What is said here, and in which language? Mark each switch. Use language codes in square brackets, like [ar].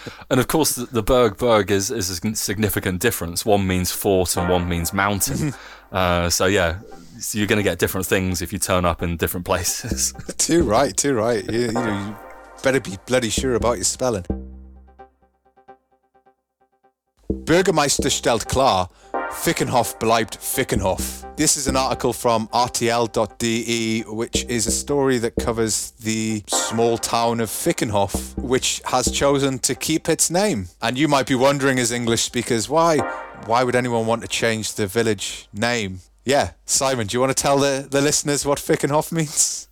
[en] And, of course, the Berg is a significant difference. One means fort and one means mountain. So, yeah, so you're going to get different things if you turn up in different places. Too right. You better be bloody sure about your spelling. [de] Bürgermeister stellt klar, Fickenhoff bleibt Fickenhoff. [en] This is an article from RTL.de, which is a story that covers the small town of Fickenhoff, which has chosen to keep its name. And you might be wondering, as English speakers, why would anyone want to change the village name? Yeah, Simon, do you want to tell the listeners what Fickenhoff means?